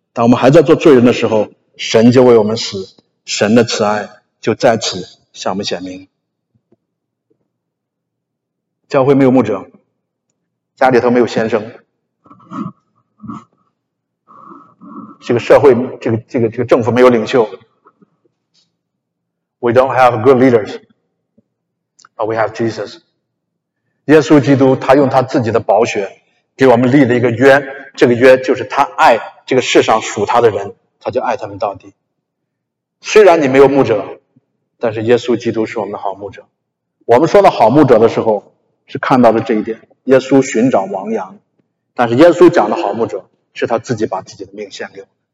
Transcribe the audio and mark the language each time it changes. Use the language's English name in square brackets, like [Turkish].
[Chinese] 当我们还在做罪人的时候，神就为我们死，神的慈爱就在此向我们显明。教会没有牧者，家里头没有先生，这个社会，这个政府没有领袖。 [English] We don't have good leaders, but we have Jesus. [Chinese] 耶稣基督他用他自己的宝血给我们立了一个约，这个约就是他爱这个世上属他的人，他就爱他们到底。虽然你没有牧者，但是耶稣基督是我们的好牧者。我们说到好牧者的时候是看到了这一点，耶稣寻找亡羊，但是耶稣讲的好牧者是他自己把自己的命献给我。